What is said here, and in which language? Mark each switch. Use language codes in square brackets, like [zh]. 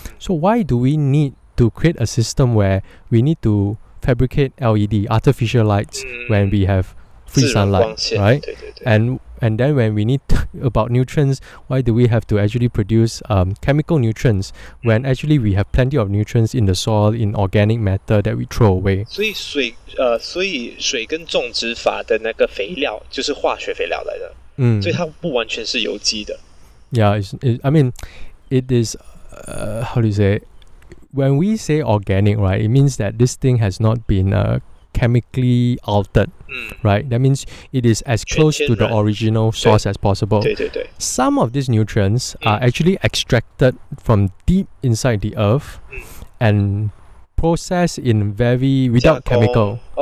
[en] So why do we need to create a system where we need to fabricate LED, artificial lights, when we have free sunlight, right? [zh] 对对对. [en] And then when we need about nutrients, why do we have to actually produce chemical nutrients when actually we have plenty of nutrients in the soil in organic matter that we throw away? [zh] 所以水跟种植法的那个肥料就是化学肥料来的。所以它不完全是有机的。 [en] Yeah, it is, how do you say, when we say organic, right, it means that this thing has not been chemically altered, right? That means it is as close to the original source as possible. [zh] 对对对. [en] Some of these nutrients are actually extracted from deep inside the earth and processed in very, without chemical.